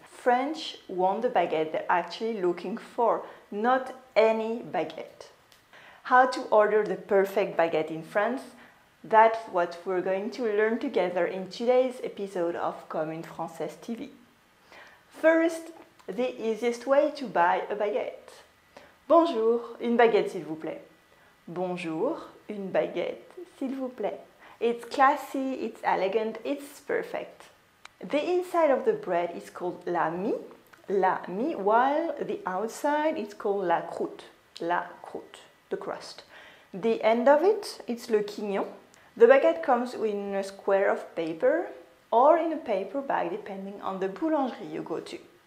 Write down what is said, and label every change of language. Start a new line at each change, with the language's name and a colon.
English: French want the baguette they're actually looking for, not any baguette. How to order the perfect baguette in France? That's what we're going to learn together in today's episode of Comme une Française TV. First, the easiest way to buy a baguette.
French: Bonjour, une baguette s'il vous plaît. Bonjour, une baguette s'il vous plaît.
English: It's classy, it's elegant, it's perfect. The inside of the bread is called la mie, while the outside is called la croûte, the crust. The end of it, it's le quignon. The baguette comes in a square of paper or in a paper bag depending on the boulangerie you go to.